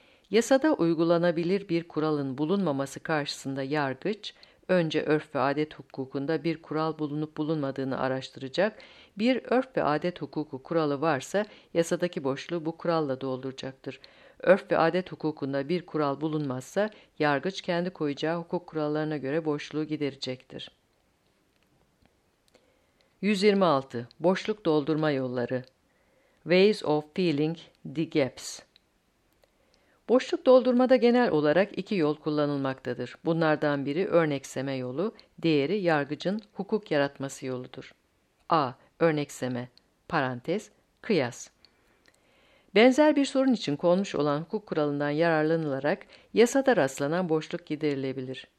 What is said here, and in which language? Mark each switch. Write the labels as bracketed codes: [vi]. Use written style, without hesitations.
[tr] Yasada uygulanabilir bir kuralın bulunmaması karşısında yargıç, önce örf ve adet hukukunda bir kural bulunup bulunmadığını araştıracak, bir örf ve adet hukuku kuralı varsa yasadaki boşluğu bu kuralla dolduracaktır. Örf ve adet hukukunda bir kural bulunmazsa yargıç kendi koyacağı hukuk kurallarına göre boşluğu giderecektir. 126. Boşluk doldurma yolları. [en] Ways of filling the gaps. [tr] Boşluk doldurmada genel olarak iki yol kullanılmaktadır. Bunlardan biri örnekseme yolu, diğeri yargıcın hukuk yaratması yoludur. A. Örnekseme. Parantez. Kıyas. Benzer bir sorun için konmuş olan hukuk kuralından yararlanılarak yasada rastlanan boşluk giderilebilir.